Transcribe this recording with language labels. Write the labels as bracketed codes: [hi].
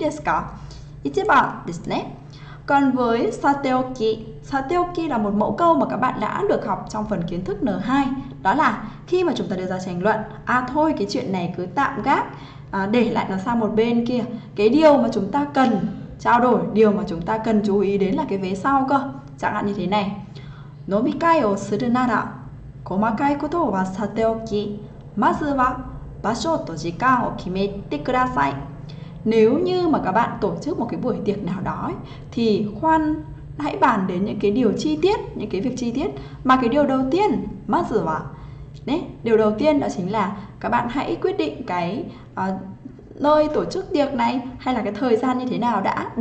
[vi] Yes, ichiban. Còn với sateoki, sateoki là một mẫu câu mà các bạn đã được học trong phần kiến thức N2. Đó là khi mà chúng ta đưa ra tranh luận, à thôi cái chuyện này cứ tạm gác, để lại nó sang một bên kia. Cái điều mà chúng ta cần trao đổi, điều mà chúng ta cần chú ý đến là cái vế sau cơ. Chẳng hạn như thế này: [ja] "飲み会をするなら、細かいことはさておき、まずは場所と時間を決めて、ください." [vi] Nếu như mà các bạn tổ chức một cái buổi tiệc nào đó ấy, thì khoan hãy bàn đến những cái điều chi tiết, những cái việc chi tiết. Mà cái điều đầu tiên, mắt rửa vào đấy, điều đầu tiên đó chính là các bạn hãy quyết định cái nơi tổ chức tiệc này hay là cái thời gian như thế nào đã.